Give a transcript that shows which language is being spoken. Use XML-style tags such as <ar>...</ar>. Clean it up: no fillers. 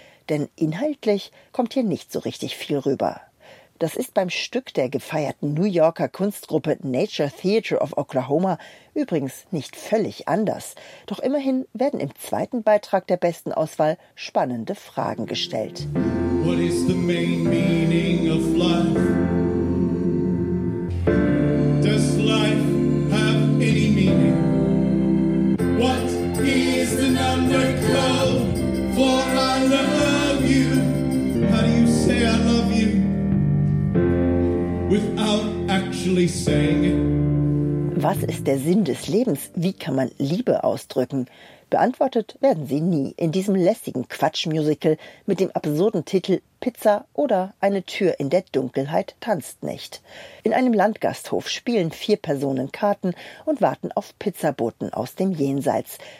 <de>Denn inhaltlich kommt hier nicht so richtig viel rüber. Das ist beim Stück der gefeierten New Yorker Kunstgruppe Nature Theatre of Oklahoma übrigens nicht völlig anders. Doch immerhin werden im zweiten Beitrag der besten Auswahl spannende Fragen gestellt.</de> <en>What is the main meaning of life? Does life have any meaning? What is the number 12 for I love you? How do you say I love you? Without actually saying it.</en> <de>Was ist der Sinn des Lebens? Wie kann man Liebe ausdrücken? Beantwortet werden sie nie in diesem lässigen Quatschmusical mit dem absurden Titel Pizza oder Eine Tür in der Dunkelheit tanzt nicht. In einem Landgasthof spielen 4 Personen Karten und warten auf Pizzaboten aus dem Jenseits.</de>